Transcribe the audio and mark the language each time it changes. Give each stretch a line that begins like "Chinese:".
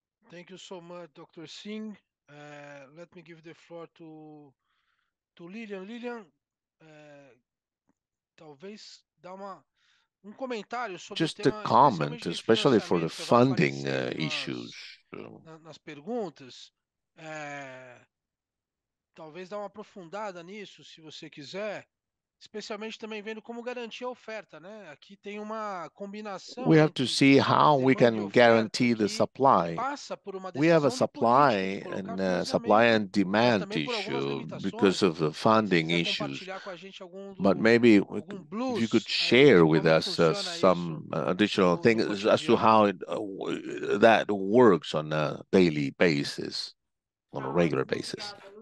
English: Thank you so much, Dr. Singh. Let me give the floor to Lilian.
Portuguese: Lilian, talvez dá uma comentário sobre
English: just a comment, especially for the funding issues.
Portuguese: Nas perguntas, talvez dá uma aprofundada nisso, se você quiser. especialmente também vendo como garantir a oferta, né? Aqui tem uma combinação.
English: We have to see how we can guarantee the supply.
Portuguese: Passa por uma
English: we have a supply and supply and demand issue because of the funding issues. But maybe if you could share with us some additional things as to how that works on a daily basis, on a regular basis.